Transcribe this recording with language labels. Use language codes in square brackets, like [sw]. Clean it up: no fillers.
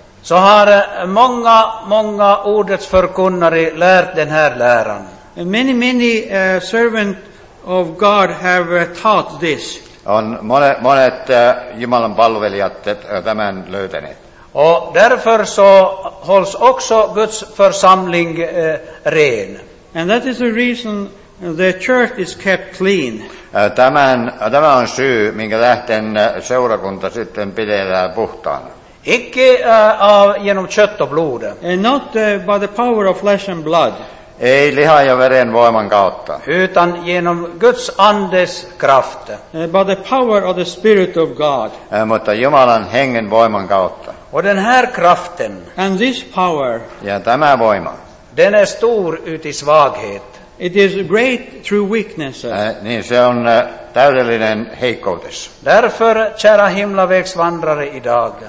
[sv] Så har många, många ordets förkunnare lärt den här läran. [en] Many, many servant of God have taught this. [fi] On monet Jumalan palvelijat tämän löytäneet. [sv] Och därför så hålls också Guds församling ren. [en] And that is the reason the church is kept clean. [fi] Tämä on syy, minkä tähden seurakunta sitten pidetään puhtaana. [sv] Ikke genom kött och blod. [en] And not by the power of flesh and blood. [fi] Ei lihan ja veren voiman kautta. [sv] Utan genom Guds andes kraft. [en] By the power of the Spirit of God. [fi] Mutta Jumalan hengen voiman kautta. [sv] Och den här kraften. [en] And this power. [fi] Ja tämä voima. [sv] Den är stor uti svaghet. [en] It is great through weaknesses. [fi] Niin se on täydellinen heikkoutes. [sv] Därför, kära himlavägsvandrare idag.